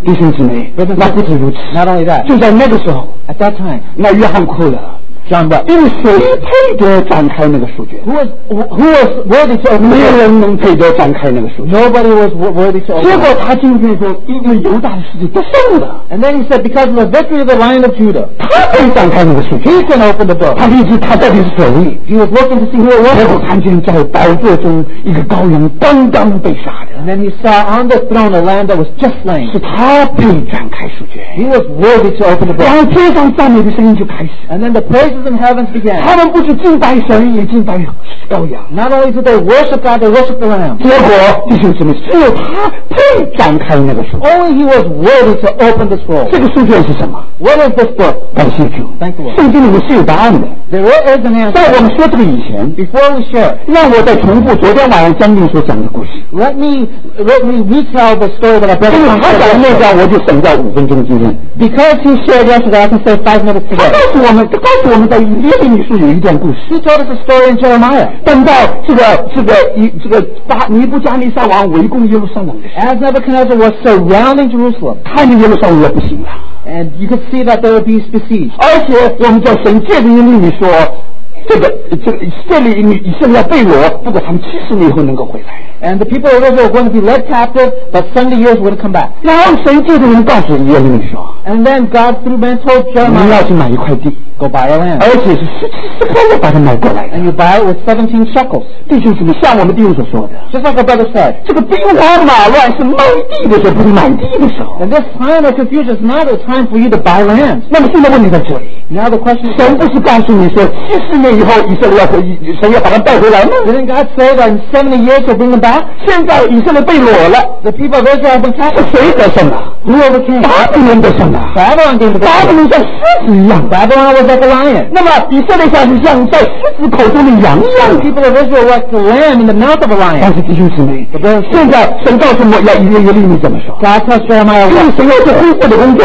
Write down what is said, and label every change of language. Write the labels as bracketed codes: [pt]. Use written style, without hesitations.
[zh] 弟兄姊妹, 那不止如此, [en] not only that, [zh] 就在那个时候, [en] at that time, [zh] 那约翰哭了, [en] John wept. [zh] 因为谁配得展开那个书卷? [en] Who was worthy to open? [zh] 没有人能配得展开那个书卷? [en] Nobody was worthy to open. [zh] 结果他今天说, 因为犹大的事情都胜了, [en] and then he said, because of the victory of the Lion of Judah, [zh] 他可以展开那个书卷, [en] he can open the book. [zh] 他立即他到底是谁? [en] He was looking to see who it was. [zh] 结果看见在宝座中一个羔羊刚刚被杀的, [en] and then he saw on the throne a lamb that was just slain. [zh] 是他配展开书卷, [en] he was worthy to open the book. [zh] 然后天上赞美的声音就开始, [en] and then the praise in heavens began. [zh] 他们不是敬拜神, 也敬拜羔羊, [en] not only do they worship God, they worship the lamb. [zh] 结果, 弟兄姊妹, 只有他配展开那个书, [en] only he was worthy to open the scroll. [zh] 这个书卷是什么? [en] What is this book? [zh] 感谢主, [en] thank you, Lord. [zh] 圣经里面是有答案的, [en] there is an answer. [zh] 在我们说这个以前, [en] before we share, [zh] 让我再重复昨天晚上将军所讲的故事, [en] let me retell the story that I brought. [zh] 因为他讲的那段我就省掉五分钟今天, [en] because he shared yesterday, I can say 5 minutes today. [zh] 他告诉我们 [en] He told us a story in Jeremiah. [zh] 等到这个尼布加尼撒王围攻耶路撒冷的时候, [en] as Nebuchadnezzar was surrounding Jerusalem, [zh] 看见耶路撒冷也不行了, [en] and you could see that there would be besieged. [zh] 而且我们叫神借着耶利米说, 这个这里你是要被我, 不过他们70年以后能够回来, [en] And the people of Israel were going to be led captive, but 70 years would come back. And then God through man told Jeremiah, go buy a land. And you buy it with 17 shekels. [zh] 弟兄们, 像我们弟兄所说的, [en] just like our brother said, [zh] 这个兵荒马乱是卖地的时候, [en] and this time of confusion is not a time for you to buy land. [zh] 那么现在问题在这里, [en] now the question is, [zh] 神不是告诉你说70年以后以色列要把他带回来吗? [en] Didn't God say that in 70 years he'll bring them back? [zh] 现在以色列被掳了, [en] the people of Israel have been captured. [zh] 是谁得胜的? [en] Who overcame? Babylon came to the battle. Babylon was like a lion. [zh] 那么以色列像在狮子口中的羊一样, [en] the people of Israel were like the lamb in the mouth of a lion. [zh] 但是弟兄姊妹,现在神告诉我,要以利米怎么说? [en] God tells Jeremiah, [zh] 因为神要做恢复的工作,